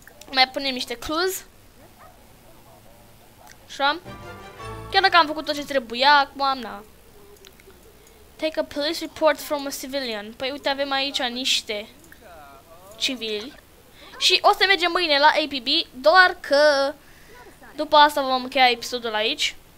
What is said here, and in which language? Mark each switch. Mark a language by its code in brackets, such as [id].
[ro] Mai punem niște clues. Așa. Chiar dacă am făcut tot ce trebuia, acum am, na. [en] Take a police report from a civilian. [ro] Păi uite, avem aici niște civili. Și o să mergem mâine la APB, doar că după asta vom încheia episodul aici.